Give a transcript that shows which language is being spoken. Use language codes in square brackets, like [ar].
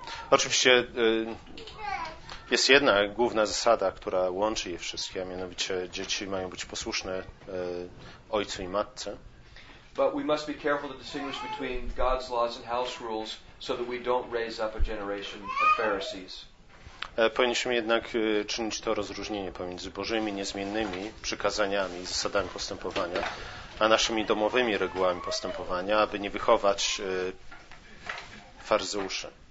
[pl] Oczywiście jest jedna główna zasada, która łączy je wszystkie, a mianowicie dzieci mają być posłuszne ojcu i matce. [en] But we must be careful to distinguish between God's laws and house rules so that we don't raise up a generation of Pharisees. [pl] Powinniśmy jednak czynić to rozróżnienie pomiędzy Bożymi niezmiennymi przykazaniami i zasadami postępowania, a naszymi domowymi regułami postępowania, aby nie wychować faryzeuszy.